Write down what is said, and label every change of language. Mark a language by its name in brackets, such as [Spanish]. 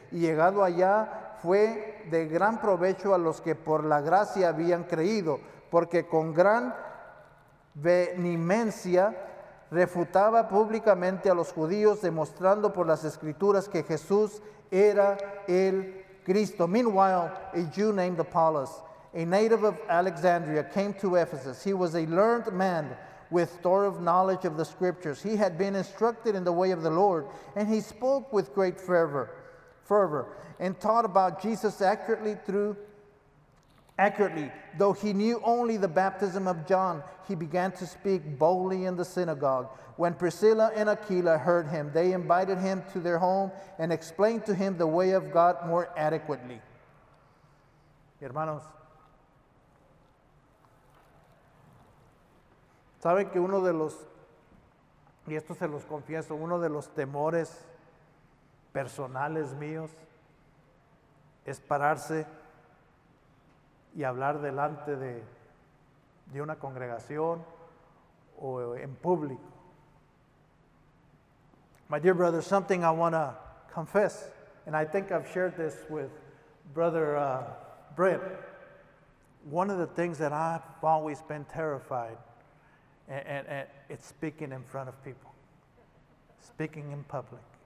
[Spanish] Y llegado allá, fue de gran provecho a los que por la gracia habían creído, porque con gran vehemencia refutaba públicamente a los judíos, demostrando por las escrituras que Jesús era el Cristo. [English] Meanwhile, a Jew named Apollos, a native of Alexandria, came to Ephesus. He was a learned man with thorough knowledge of the scriptures. He had been instructed in the way of the Lord, and he spoke with great fervor, and taught about Jesus accurately, though he knew only the baptism of John, he began to speak boldly in the synagogue. When Priscilla and Aquila heard him, they invited him to their home and explained to him the way of God more adequately. [Spanish] Hermanos, saben que uno de los, y esto se los confieso, uno de los temores personales míos es pararse y hablar delante de una congregación o en público. [English] My dear brother, something I want to confess, and I think I've shared this with brother Brett. One of the things that I've always been terrified, and it's speaking in front of people, speaking in public.